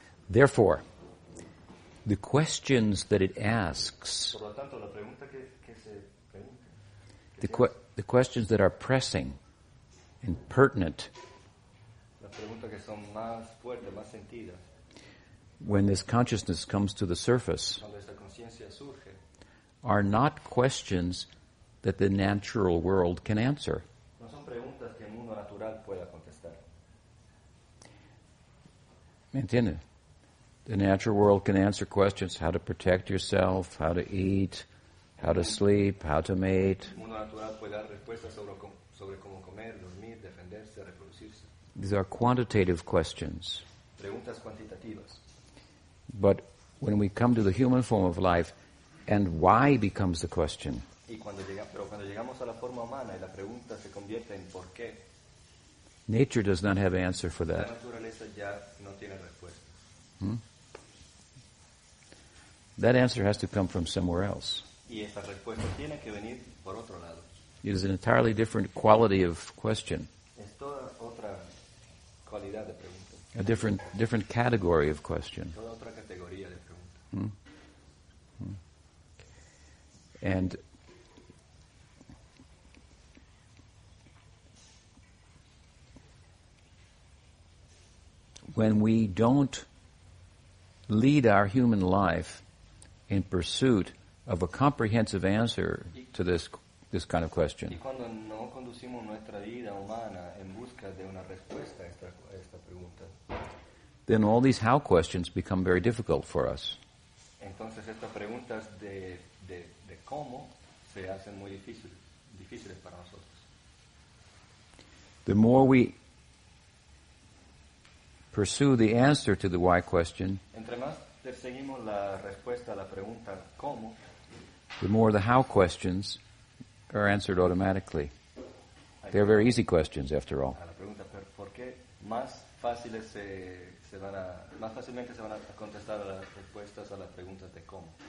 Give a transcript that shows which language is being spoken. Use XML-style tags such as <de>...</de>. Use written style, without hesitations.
<en>Therefore, the questions that it asks,</en> <es>por lo tanto, la pregunta que se pregunta,</es> <en>the questions that are pressing and pertinent,</en> <es>la pregunta que son más fuerte, más sentida,</es> <en>when this consciousness comes to the surface,</en> <es>cuando esta conciencia surge,</es> <en>are not questions that the natural world can answer.</en> <es>No son preguntas que el mundo natural pueda contestar. ¿Me entiendes?</es> <en>The natural world can answer questions: how to protect yourself, how to eat, how to sleep, how to mate.</en> <es>El mundo natural puede dar respuestas sobre cómo comer, dormir, defenderse, reproducirse.</es> <en>These are quantitative questions.</en> <es>Preguntas cuantitativas.</es> <en>But when we come to the human form of life, and why becomes the question.</en> <es>Y cuando llega, pero cuando llegamos a la forma humana y la pregunta se convierte en por qué.</es> <en>Nature does not have answer for that.</en> <es>La naturaleza ya no tiene respuesta.</es> <en>That answer has to come from somewhere else.</en> <es>Y esta respuesta tiene que venir por otro lado.</es> <en>It is an entirely different quality of question.</en> <es>Es toda otra cualidad de pregunta.</es> <en>A different category of question.</en> <es>Toda otra categoría de pregunta.</es> <en>And when we don't lead our human life in pursuit of a comprehensive answer to this kind of question.</en> <es>Y cuando no conducimos nuestra vida humana en busca de una respuesta a esta pregunta.</es> <en>Then all these how questions become very difficult for us.</en> <es>Entonces estas preguntas de cómo se hacen muy difíciles para nosotros.</es> <en>The more we pursue the answer to the why question,</en> <es>entre más perseguimos la respuesta a la pregunta cómo,</es> <en>the more the how questions are answered automatically. They're very easy questions, after all.</en> <es>A la pregunta por qué, más fáciles se van a, más fácilmente se van a contestar a las respuestas a las preguntas de cómo.</es>